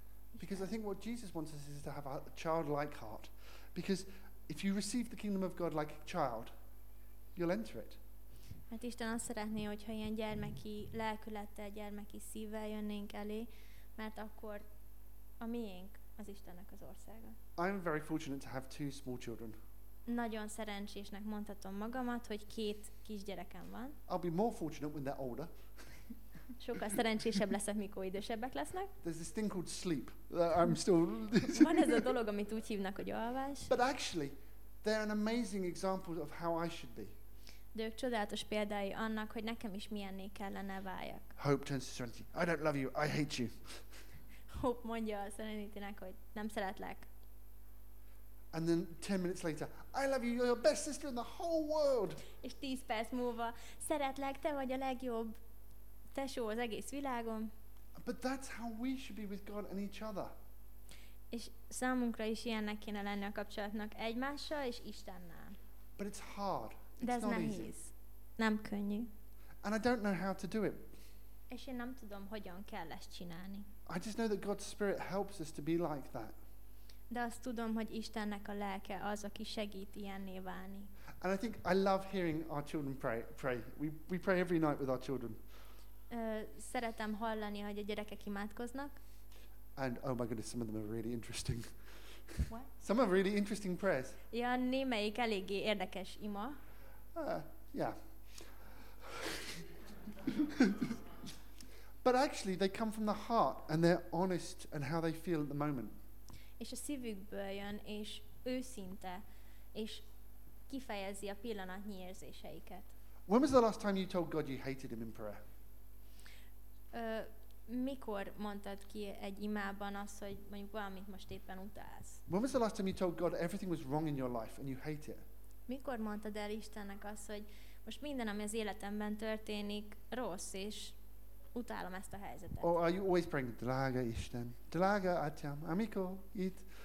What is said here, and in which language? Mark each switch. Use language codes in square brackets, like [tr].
[en] Because I think what Jesus wants us is to have a childlike heart. Because if you receive the kingdom of God like a child, you'll enter it. [hu] Mert Isten azt szeretné, hogyha ilyen gyermeki lelkülettel, gyermeki szívvel jönnénk elé, mert akkor a miénk az Istennek az országa. [en] I'm very fortunate to have two small children. [hu] Nagyon szerencsésnek mondhatom magamat, hogy két kisgyerekem van. [en] I'll be more fortunate when they're older. [hu] Sokkal szerencsésebb leszek, mikor idősebbek lesznek. [en] There's this thing called sleep. I'm still. [hu] Van ez a dolog, amit úgy hívnak, hogy alvás. [en] But actually, they're an amazing example of how I should be. [hu] De ők csodálatos példái annak, hogy nekem is milyenné kellene váljak. [en] Hope turns to serenity. I don't love you. I hate you. [hu] Hope mondja a Serenity-nek, hogy nem szeretlek. [en] And then 10 minutes later, I love you. You're your best sister in the whole world. [hu] És 10 perc múlva, szeretlek, te vagy a legjobb tesó az egész világon. [en] But that's how we should be with God and each other. [hu] És számunkra is ilyennek kéne lenni a kapcsolatnak egymással és Istennel. [en] But it's hard. [hu] De [en] it's [hu] ez [en] not [hu] nehéz. [en] Easy. [hu] Nem könnyű. [en] And I don't know how to do it. [hu] És én nem tudom, hogyan kell ezt csinálni. [en] I just know that God's Spirit helps us to be like that. [hu] De azt tudom, hogy Istennek a lelke az, aki segít ilyenné válni. [en] And I think I love hearing our children pray. We pray every night with our children. [hu] Szeretem hallani, hogy a gyerekek imádkoznak. [en] And oh my goodness, some of them are really interesting. What? Some are really interesting prayers. [hu] Ja, némelyik eléggé érdekes ima. [en] Yeah. But actually, they come from the heart, and they're honest and how they feel at the moment. [hu] És a szívükből jön, és őszinte, és kifejezi a pillanatnyi érzéseiket. [en] When was the last time you told God you hated him in prayer? [hu] Mikor mondtad ki egy imában azt, hogy mondjuk valamit most éppen utálsz? [en] When was the last time you told God everything was wrong in your life and you hate it? [hu] Mikor mondtad el Istennek azt, hogy most minden, ami az életemben történik, rossz, és utálom ezt a helyzetet? [en] Or are you always praying, [hu] drága Isten, drága Atyám, amikor itt?